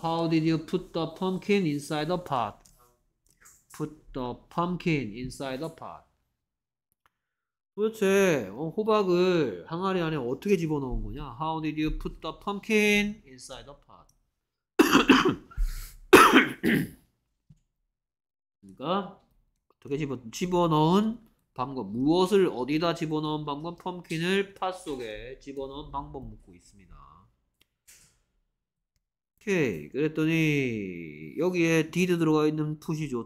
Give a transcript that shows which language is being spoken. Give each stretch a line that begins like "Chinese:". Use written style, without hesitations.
English: How did you put the pumpkin inside the pot? Put the pumpkin inside the pot.
Korean: 도대체 호박을 항아리 안에 어떻게 집어넣은 거냐?
English: How did you put the pumpkin inside the pot?
Korean: 그러니까 어떻게 집어넣은 방법, 무엇을 어디다 집어넣은 방법, 펌킨을 팟 속에 집어넣은 방법 묻고 있습니다. 오케이. 그랬더니 여기에 did 들어가 있는 푸시죠.